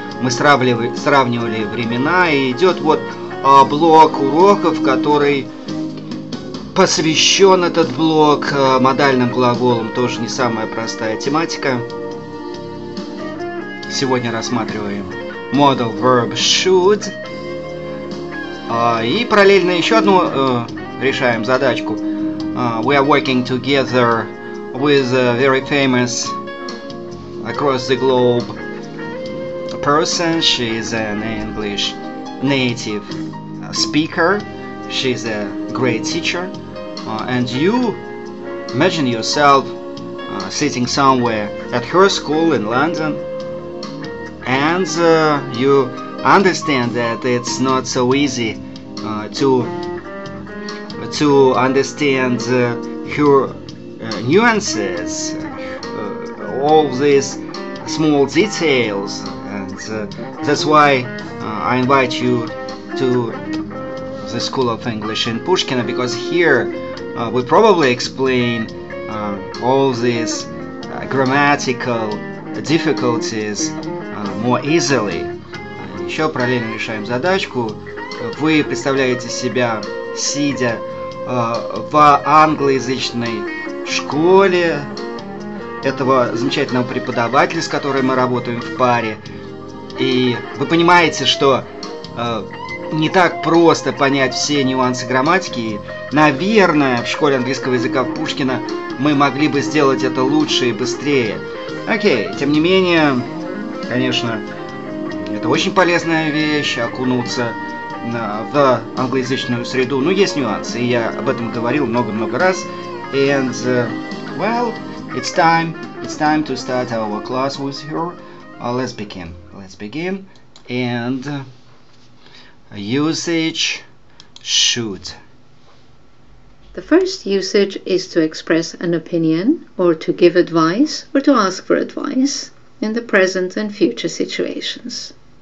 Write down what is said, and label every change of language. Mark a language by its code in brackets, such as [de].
[ru] Мы сравнивали времена, и идет вот блок уроков, который посвящен этот блок модальным глаголам. Тоже не самая простая тематика. Сегодня рассматриваем [en] modal verb should. [ru] И параллельно еще одну решаем задачку. [en] We are working together with a very famous across the globe person. She is an English native speaker. She's a great teacher. And you imagine yourself sitting somewhere at her school in London, and you understand that it's not so easy to understand her nuances, all these small details, and that's why I invite you to the School of English in Pushkino, because here we probably explain all these grammatical difficulties more easily. [ru] Еще параллельно решаем задачку. Вы представляете себя, сидя в англоязычной школе этого замечательного преподавателя, с которым мы работаем в паре. И вы понимаете, что не так просто понять все нюансы грамматики. И, наверное, в школе английского языка в Пушкино мы могли бы сделать это лучше и быстрее. Окей, тем не менее, конечно, это очень полезная вещь, окунуться в англоязычную среду. Но есть нюансы, и я об этом говорил много-много раз. [en] And, well, it's time to start our class with her. Let's begin. And usage should. The first usage is to express an opinion, or to give advice, or to ask for advice in the present and future situations.